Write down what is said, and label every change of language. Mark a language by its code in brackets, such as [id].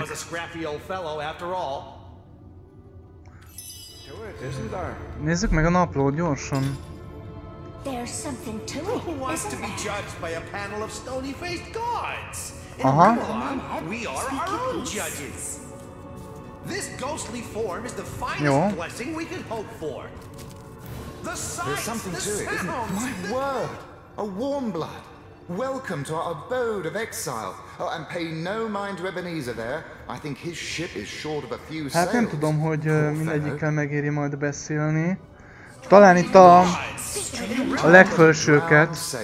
[en] He was a scrappy old fellow after all. [hu] Nézzük meg a naplót gyorsan. [en] There's something to it, there? Who wants to be judged by a panel of stony-faced gods? Aha. We are our own judges. This ghostly form is the finest blessing we could hope for. The sights, the sounds, my word, a warm blood. Welcome to our abode of exile. Oh, and pay no mind to Ebenezer there. I think his ship is short of a few sails. [hu] Hát nem tudom, hogy mindegyikkel megéri majd beszélni. Talán itt a legfelsőket.